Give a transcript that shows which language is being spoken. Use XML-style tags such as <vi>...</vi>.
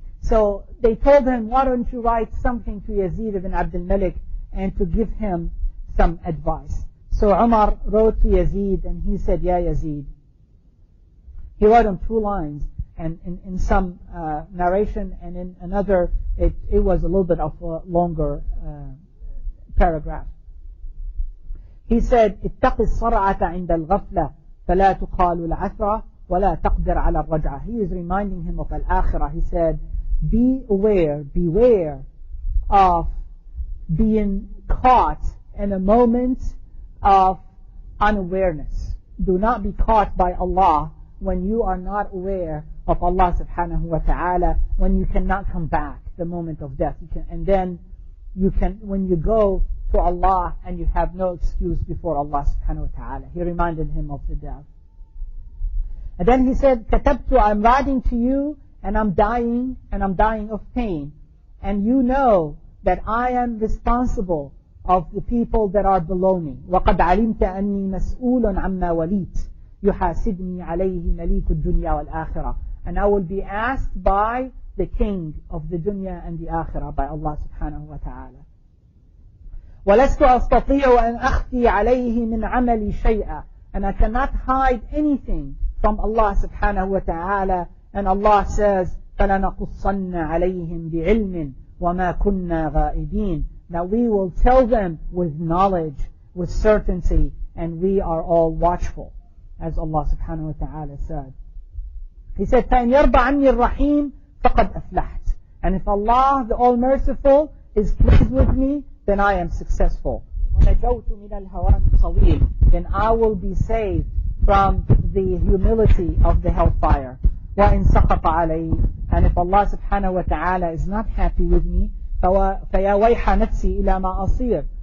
<en>So they told him, why don't you write something to Yazid ibn Abdul Malik and to give him some advice. So Umar wrote to Yazid and he said, Ya Yazid. He wrote him two lines, and in some narration and in another it was a little bit of a longer paragraph. He said,</en> <ar>اتَّقِ الصَّرَعَةَ عِنْدَ الْغَفْلَةِ فَلَا تُقَالُ الْعَثْرَةَ وَلَا تَقْدِرْ عَلَى الرَّجْعَةِ.</ar> <en>He is reminding him of Al-Akhirah. He said, be aware, beware of being caught in a moment of unawareness. Do not be caught by Allah when you are not aware of Allah subhanahu wa ta'ala, when you cannot come back the moment of death. When you go to Allah and you have no excuse before Allah subhanahu wa ta'ala. He reminded him of the death. And then he said,</en> <ar>كَتَبْتُ,</ar> <en>I'm writing to you and I'm dying of pain. And you know that I am responsible of the people that are below me.</en> <ar>وَقَدْ عَلِمْتَ أَنِّي مَسْئُولٌ عَمَّا وَلِيتْ يُحَاسِبْنِي عَلَيْهِ مَلِيكُ الدُّنْيَا وَالْآخِرَةِ.</ar> <en>And I will be asked by the king of the dunya and the akhirah, by Allah subhanahu wa ta'ala.</en> <ar>وَلَسْتُ أَسْتَطِيعُ أَنْ أَخْفِي عَلَيْهِ مِنْ عَمَلِي شَيْئًا.</ar> <en>And I cannot hide anything from Allah subhanahu wa ta'ala. And Allah says,</en> <ar>فَلَنَقُصَّنَّ عَلَيْهِمْ بِعِلْمٍ وَمَا كُنَّا غَائِبِينَ.</ar> <en>Now we will tell them with knowledge, with certainty, and we are all watchful, as Allah subhanahu wa ta'ala said. He said,</en> <ar>فَإِنْ يَرْضَ عَنِّي الرَّحِيمِ فَقَدْ أَفْلَحْتِ.</ar> <en>And if Allah, the All-Merciful, is pleased with me, then I am successful.</en> <ar>وَنَجَوْتُ مِنَ الْهَوَانِ الصَّوِيلِ.</ar> <en>Then I will be saved from the humility of the hellfire.</en> <ar>وَإِنْ سَقَطَ عَلَيْهِ.</ar> <en>And if Allah subhanahu wa ta'ala is not happy with me,</en> <ar>فَيَا وَيْحَ نَفْسِي إِلَى مَا أَصِيرُ.</ar>